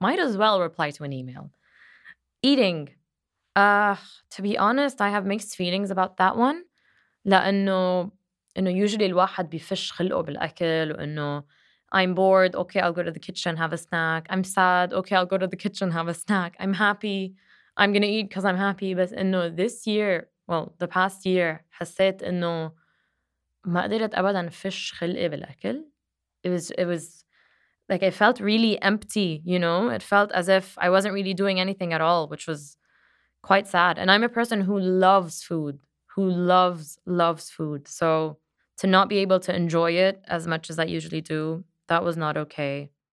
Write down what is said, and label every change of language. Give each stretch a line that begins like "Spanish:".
English: Might as well reply to an email. Eating. To be honest, I have mixed feelings about that one.
Arabic: لأنه
English: usually
Arabic: الواحد بيفش خلقه بالأكل وأنه
English: I'm bored, okay, I'll go to the kitchen, have a snack. I'm sad, okay, I'll go to the kitchen, have a snack. I'm happy, I'm going to eat because I'm happy. But
Arabic: إنه
English: this year, well, the past year,
Arabic: حسيت إنه ما قدرت أبداً فش خلقي بالأكل.
English: It was like I felt really empty, you know? It felt as if I wasn't really doing anything at all, which was quite sad. And I'm a person who loves food, who loves food. So to not be able to enjoy it as much as I usually do, that was not okay.